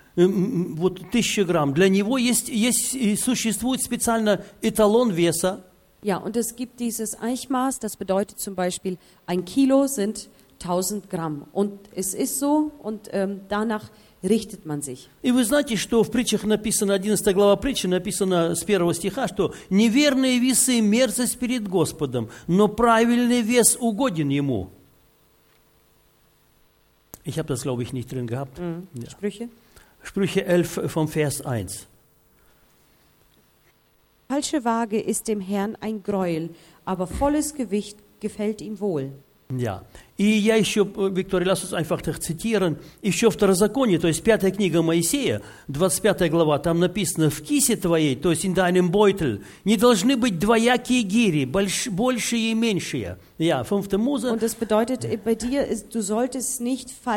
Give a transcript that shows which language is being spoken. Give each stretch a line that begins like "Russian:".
Russian: Вот 1000 грамм. Для него существует специально эталон веса.
German: Ja, und es gibt dieses Eichmaß, das bedeutet zum Beispiel, ein Kilo sind 1000 Gramm. Und es ist so, und danach richtet man sich.
Russian: И вы знаете, что в притчах написано, 11 глава притчи написано с 1 стиха, что неверные весы мерзость перед Господом, но правильный вес угоден ему.
German: Ich habe das, glaube ich, nicht drin gehabt. Mhm. Ja. Sprüche? Sprüche 11 vom Vers 1. Falsche Waage ist dem Herrn ein Greuel, aber volles Gewicht gefällt ihm wohl.
Russian: Ja, и я еще, Виктория,
German: lass uns einfach
Russian: так
German: zitieren,
Russian: еще второзаконие, то есть пятая книга Моисея, 25 глава, там написано, в кисе твоей, то есть
German: in deinem Beutel,
Russian: не должны быть двоякие гири, большие и меньшие.
German: Ja, 5. Mose. Und das bedeutet, bei dir, ist, du solltest nicht